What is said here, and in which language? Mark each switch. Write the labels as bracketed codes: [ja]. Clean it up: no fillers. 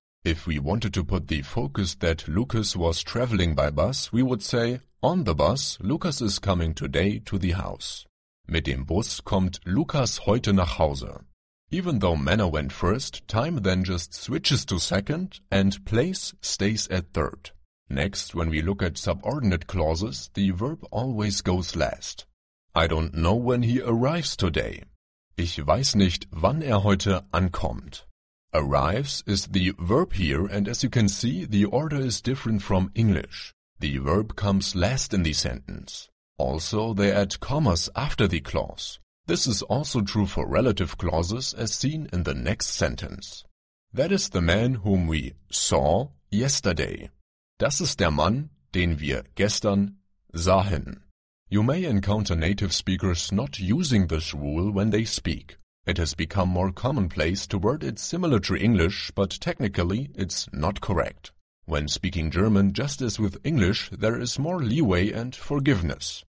[en] If we wanted to put the focus that Lucas was traveling by bus, we would say, on the bus, Lucas is coming today to the house. [de] Mit dem Bus kommt Lukas heute nach Hause. [en] Even though manner went first, time then just switches to second and place stays at third. Next, when we look at subordinate clauses, the verb always goes last. I don't know when he arrives today. [de] Ich weiß nicht, wann heute ankommt. [en] Arrives is the verb here, and as you can see, the order is different from English. The verb comes last in the sentence. Also, they add commas after the clause. This is also true for relative clauses as seen in the next sentence. That is the man whom we saw yesterday. [de] Das ist der Mann, den wir gestern sahen. [en] You may encounter native speakers not using this rule when they speak. It has become more commonplace to word it similar to English, but technically it's not correct. When speaking German, just as with English, there is more leeway and forgiveness.